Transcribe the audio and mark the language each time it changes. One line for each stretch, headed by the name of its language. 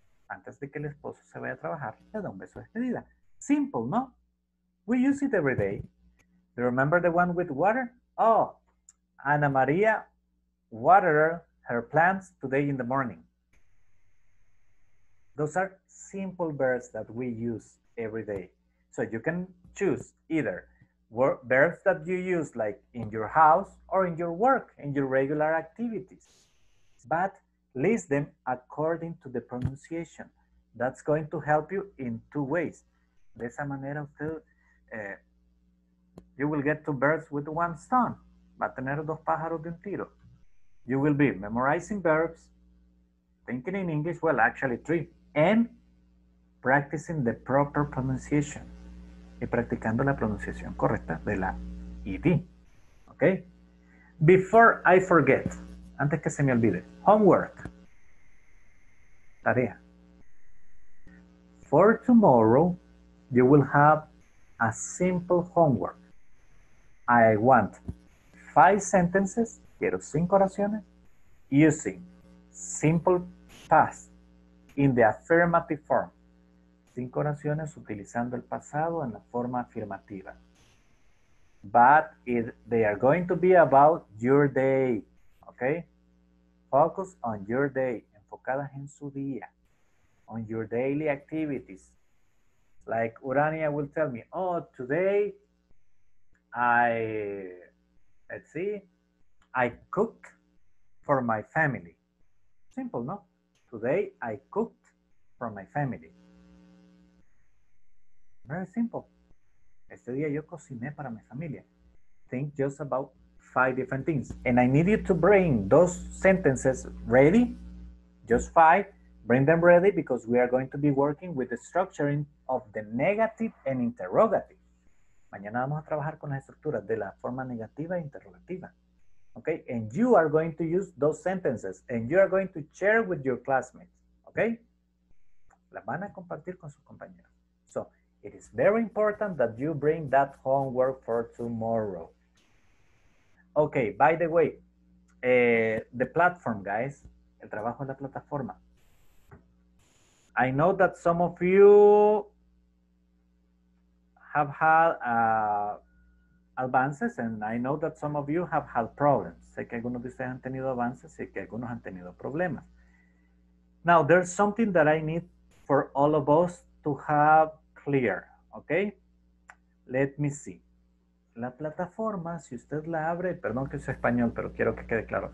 Spanish: antes de que el esposo se vaya a trabajar, le da un beso de despedida. Simple, ¿no?
English: We use it every day. Do you remember the one with water? Oh, Ana María watered her plants today in the morning. Those are simple verbs that we use every day. So you can choose either verbs that you use like in your house or in your work, in your regular activities. But list them according to the pronunciation. That's going to help you in two ways.
Spanish: De esa manera usted,
English: you will get two birds with one stone.
Spanish: Va a tener dos pájaros de un tiro.
English: You will be memorizing verbs, thinking in English, well, actually three, and practicing the proper pronunciation.
Spanish: Y practicando la pronunciación correcta de la ED.
English: Okay? Before I forget,
Spanish: antes que se me olvide,
English: homework.
Spanish: Tarea.
English: For tomorrow, you will have a simple homework. I want 5 sentences,
Spanish: quiero 5 oraciones,
English: using simple past in the affirmative form.
Spanish: 5 oraciones utilizando el pasado en la forma afirmativa.
English: But they are going to be about your day, okay? Focus on your day,
Spanish: enfocadas en su día,
English: on your daily activities. Like Urania will tell me, oh, today I, let's see, I cooked for my family. Simple, no? Today I cooked for my family. Very simple.
Spanish: Este día yo cociné para mi familia.
English: Think just about 5 different things. And I need you to bring those sentences ready, just 5. Bring them ready because we are going to be working with the structuring of the negative and interrogative.
Spanish: Mañana vamos a trabajar con las estructuras de la forma negativa e interrogativa.
English: Okay? And you are going to use those sentences and you are going to share with your classmates. Okay?
Spanish: Las van a compartir con sus compañeros.
English: So, it is very important that you bring that homework for tomorrow. Okay, by the way, the platform, guys,
Spanish: el trabajo en la plataforma.
English: I know that some of you have had advances, and I know that some of you have had problems.
Spanish: Sé que algunos de ustedes han tenido avances y que algunos han tenido problemas.
English: Now, there's something that I need for all of us to have clear, okay? Let me see.
Spanish: La plataforma, si usted la abre, perdón que sea español, pero quiero que quede claro.